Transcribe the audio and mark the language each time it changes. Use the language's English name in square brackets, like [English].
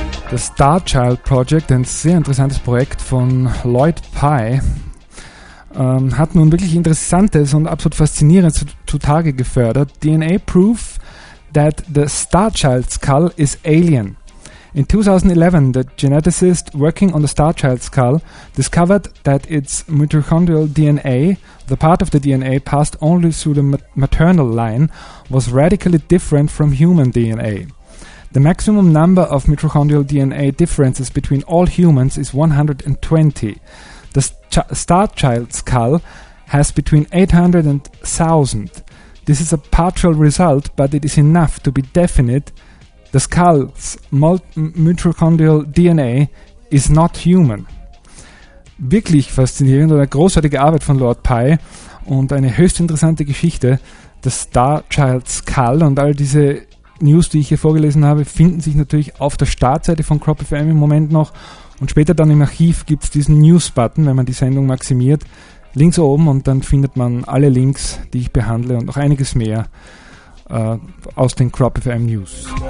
[German] Das Starchild Project, ein sehr interessantes Projekt von Lloyd Pye, hat nun wirklich Interessantes und absolut Faszinierendes zutage gefördert. [English] DNA proof that the Starchild skull is alien. In 2011, the geneticist working on the Starchild skull discovered that its mitochondrial DNA, the part of the DNA passed only through the maternal line, was radically different from human DNA. The maximum number of mitochondrial DNA differences between all humans is 120. The Starchild skull has between 800 and 1,000. This is a partial result, but it is enough to be definite. The skull's mitochondrial DNA is not human. [German] Wirklich faszinierend, eine großartige Arbeit von Lord Pye und eine höchst interessante Geschichte. The Starchild skull und all diese News, die ich hier vorgelesen habe, finden sich natürlich auf der Startseite von Crop FM im Moment noch, und später dann im Archiv gibt es diesen News-Button, wenn man die Sendung maximiert, links oben, und dann findet man alle Links, die ich behandle, und noch einiges mehr aus den Crop FM News.